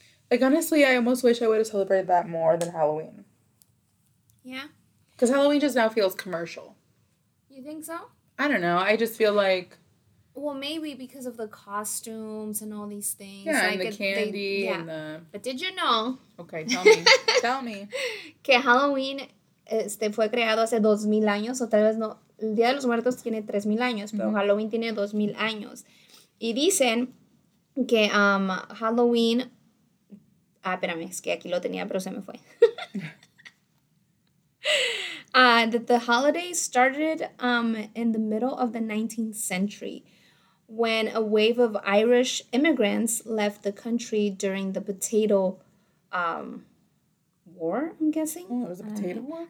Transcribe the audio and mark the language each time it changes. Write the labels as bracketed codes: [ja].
[en] Like, honestly, I almost wish I would have celebrated that more than Halloween. Yeah? Because Halloween just now feels commercial. You think so? I don't know. I just feel like... Well, maybe because of the costumes and all these things. Yeah, like, and the candy. But did you know? Okay, tell me. Tell me. [es] Que Halloween fue creado hace 2,000 años, o tal vez no. El Día de los Muertos tiene 3,000 años, pero mm-hmm. Halloween tiene 2,000 años. Y dicen que Halloween... Ah, espérame, es que aquí lo tenía, pero se me fue. [en] that the holiday started in the middle of the 19th century when a wave of Irish immigrants left the country during the potato war, I'm guessing. Oh, it was a potato war?